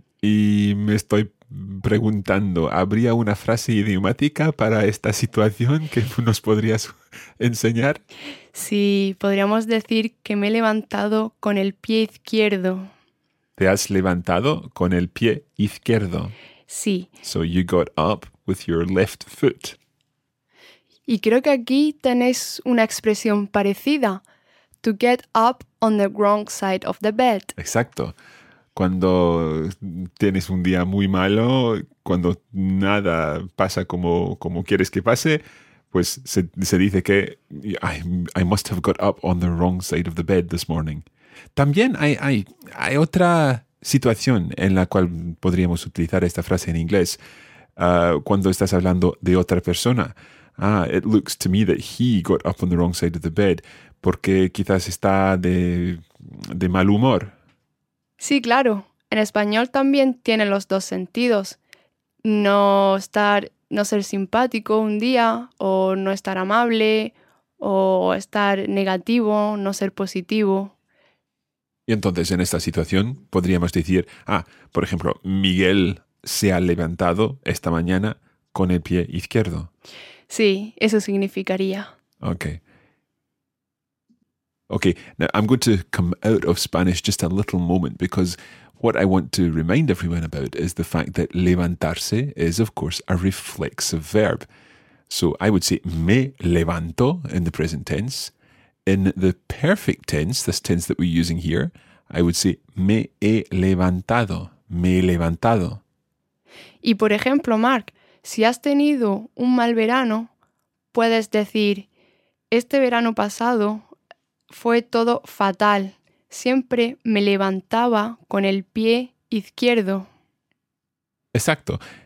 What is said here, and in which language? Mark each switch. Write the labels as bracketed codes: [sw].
[es] Y me estoy preguntando, ¿habría una frase idiomática para esta situación que nos podrías enseñar? Sí, podríamos decir que me he levantado con el pie izquierdo. ¿Te has levantado con el pie izquierdo? Sí. [en] So you got up with your left foot. [es] Y creo que aquí tenéis una expresión parecida. [en] To get up on the wrong side of the bed. [es] Exacto. Cuando tienes un día muy malo, cuando nada pasa como quieres que pase, pues se dice que [en] I must have got up on the wrong side of the bed this morning. [es] También hay otra situación en la cual podríamos utilizar esta frase en inglés cuando estás hablando de otra persona. Ah, it looks to me that he got up on the wrong side of the bed porque quizás está de mal humor. Sí, claro. En español también tiene los dos sentidos. No ser simpático un día o no estar amable o estar negativo, no ser positivo. Y entonces, en esta situación, podríamos decir, por ejemplo, Miguel se ha levantado esta mañana con el pie izquierdo. Sí, eso significaría. [en] Okay, now I'm going to come out of Spanish just a little moment, because what I want to remind everyone about is the fact that levantarse is, of course, a reflexive verb. So I would say [es] me levanto [en] in the present tense. In the perfect tense, this tense that we're using here, I would say [es] me he levantado, me he levantado. Y por ejemplo, Mark, si has tenido un mal verano, puedes decir, este verano pasado fue todo fatal. Siempre me levantaba con el pie izquierdo. Exacto.